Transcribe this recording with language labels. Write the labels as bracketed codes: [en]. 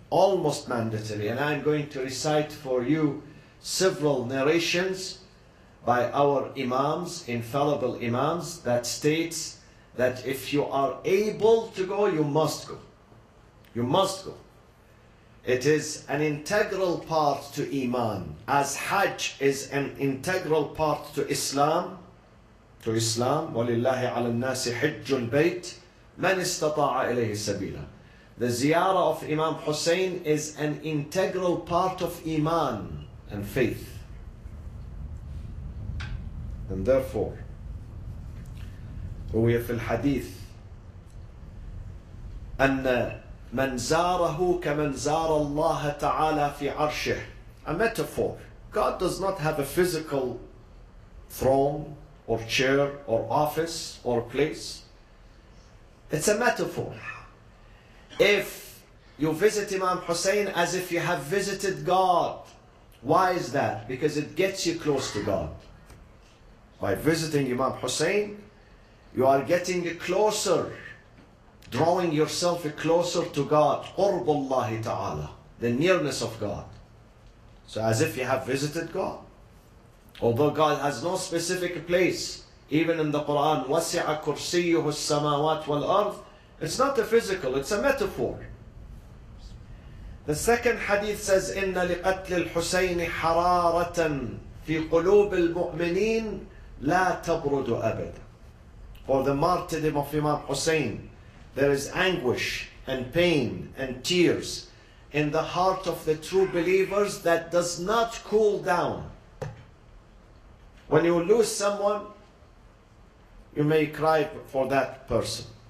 [en] Almost mandatory. And I'm going to recite for you several narrations by our imams, infallible imams, that states that if you are able to go, you must go. You must go. It is an integral part to Iman, as Hajj is an integral part to Islam. To Islam, [ar] وَلِلَّهِ عَلَى النَّاسِ حِجُّ الْبَيْتِ مَنِ اسْتَطَاعَ إِلَيْهِ سَبِيلًا. [en] The ziyarah of Imam Hussein is an integral part of Iman and faith. And therefore, [ar] روي في الحديث أن من زاره كمن زار الله تعالى في عرشه. [en] A metaphor. God does not have a physical throne or chair or office or place. It's a metaphor. If you visit Imam Hussein as if you have visited God, why is that? Because it gets you close to God. By visiting Imam Hussein, you are getting closer, drawing yourself closer to God. [ar] قُرْبُ اللَّهِ تَعَالَى, [en] the nearness of God. So as if you have visited God. Although God has no specific place, even in the Quran, [ar] وَسِعَ كُرْسِيُّهُ السَّمَاوَاتِ وَالْأَرْضِ, [en] it's not a physical, it's a metaphor. The second hadith says, [ar] إِنَّ لِقَتْلِ الْحُسَيْنِ حَرَارَةً فِي قُلُوبِ الْمُؤْمِنِينَ لَا تَبْرُدُ أَبَدًا. [en] For the martyrdom of Imam Hussein, there is anguish and pain and tears in the heart of the true believers that does not cool down. When you lose someone, you may cry for that person.